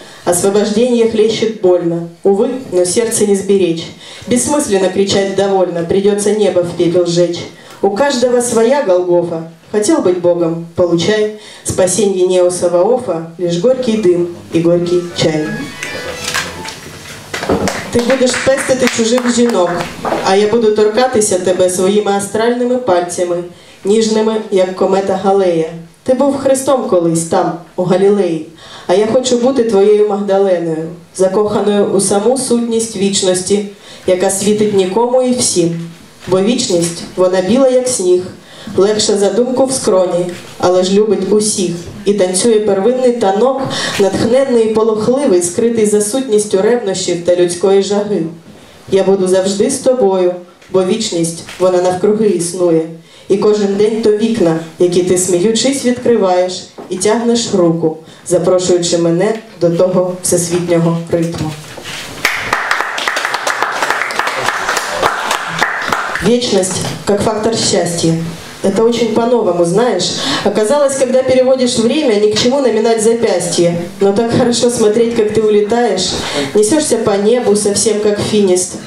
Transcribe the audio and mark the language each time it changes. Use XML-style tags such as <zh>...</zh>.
<ru>Освобождение хлещет больно, увы, но сердце не сберечь. Бессмысленно кричать довольно, придется небо в пепел сжечь. У каждого своя Голгофа, хотел быть Богом, получай. Спасенье Неоса Ваофа, лишь горький дым и горький чай.</ru> <uk>Ти будеш пестити чужих жінок, а я буду торкатися тебе своїми астральними пальцями, ніжними, як комета Галея. Ти був Христом колись там, у Галілеї, а я хочу бути твоєю Магдаленою, закоханою у саму сутність вічності, яка світить нікому і всім. Бо вічність, вона біла, як сніг, легша за думку в скроні, але ж любить усіх. І танцює первинний танок, натхненний і полохливий, скритий за сутністю ревнощів та людської жаги. Я буду завжди з тобою, бо вічність, вона навкруги існує. І кожен день то вікна, які ти сміючись відкриваєш, і тягнеш руку, запрошуючи мене до того всесвітнього ритму.</uk> <ru>Вечность, как фактор счастья. Это очень по-новому, знаешь. Оказалось, когда переводишь время, ни к чему наминать запястье. Но так хорошо смотреть, как ты улетаешь. Несешься по небу, совсем как финист.</ru>